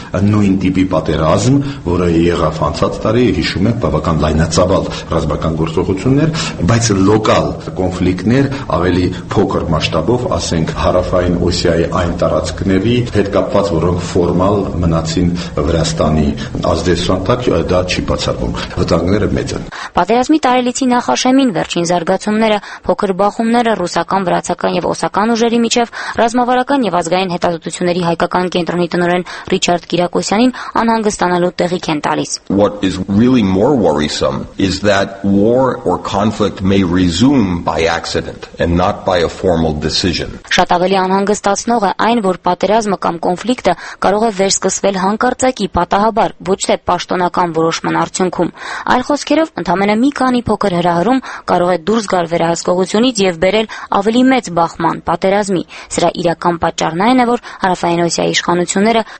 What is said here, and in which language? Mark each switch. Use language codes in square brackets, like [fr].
[hy] նույն տիպի պատերազմ, որը եղավ անցած տարի, հիշում եք, բավական լայնածավալ ռազմական գործողություններ, բայց լոկալ կոնֆլիկտներ ավելի փոքր մասշտաբով, ասենք, հարավային Օսիայի այն տարածքների հետ կապված, որոնք ֆորմալ մնացին Վրաստանի ազդեցության տակ, դա չի բացառվում։ Վտանգները մեծ են։ Պատերազմի տարելիցի նախաշեմին վերջին զարգացումները, փոքր բախումները ռուսական, վրացական եւ օսական ուժերի միջև, ռազմավարական եւ ազգային հետազոտությունների հայկական կենտրոնի տնօրեն Ռիչարդ Կիրակոսյանին անհանգստանալու տեղիք են տալիս։ [en] What is really more worrisome is that war or conflict may resume by accident and not by a formal decision։ [hy] Շատ ավելի անհանգստացնող է այն, որ պատերազմը կամ կոնֆլիկտը կարող է վերսկսվել հանկարծակի, պատահաբար, ոչ թե պաշտոնական որոշման արդյունքում։ Այլ խոսքերով, ընդամենը մի քանի փոքր հրահարում կարող է դուրս գալ վերահսկողությունից և բերել ավելի մեծ բախման, պատերազմի։ Սրա իրական պատճառն այն է, որ Հարավային Օսիայի իշխանությունները